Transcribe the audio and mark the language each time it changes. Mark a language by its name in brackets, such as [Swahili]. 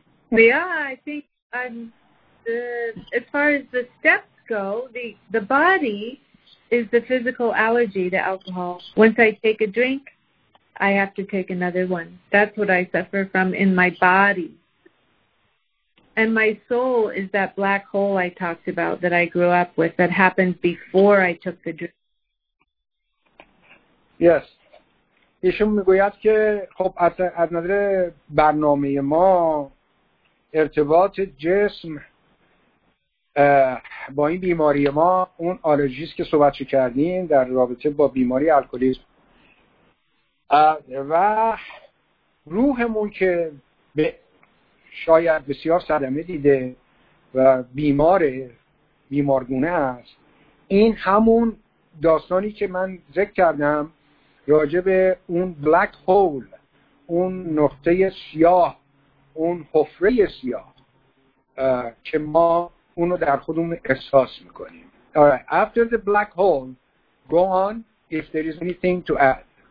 [English] Yeah, I think as far as the steps go, the body is the physical allergy to alcohol. Once I take a drink, I have to take another one. That's what I suffer from in my body. And my soul is that black hole I talked about that I grew up with that happened before I took the drink. Yes. [Persian] ایشون میگوید که خب از نظر برنامه ما ارتباط جسم با این بیماری ما، اون آلرژیست که صحبت کردیم در رابطه با بیماری الکلیسم و روحمون که به شاید بسیار صدمه دیده و بیمارگونه است، این همون داستانی که من ذکر کردم راجع به اون بلک هول، اون نقطه سیاه، اون حفره سیاه که ما اونو در خودمون احساس میکنیم. [English] Alright, after the black hole, go on if there is anything to add.